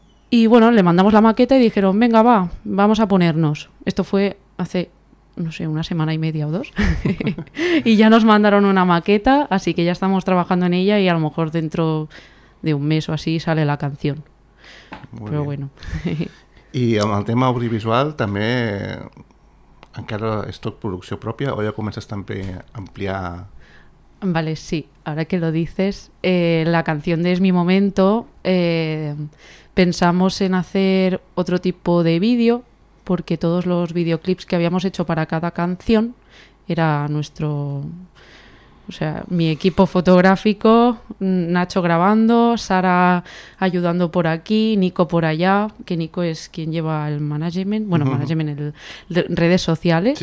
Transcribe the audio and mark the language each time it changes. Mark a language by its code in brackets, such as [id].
[es] Y bueno, le mandamos la maqueta y dijeron, venga, va, vamos a ponernos. Esto fue hace, no sé, una semana y media o dos. Y ya nos mandaron una maqueta, así que ya estamos trabajando en ella y a lo mejor dentro de un mes o así sale la canción. Muy Pero bien. Bueno. Y en el tema audiovisual [ca] també encara és tot producció pròpia o ja comences també a ampliar... [es] Vale, sí, ahora que lo dices, la canción de Es mi momento, pensamos en hacer otro tipo de vídeo, porque todos los videoclips que habíamos hecho para cada canción era nuestro, o sea, mi equipo fotográfico, Nacho grabando, Sara ayudando por aquí, Nico por allá, que Nico es quien lleva el management, bueno, management en redes sociales.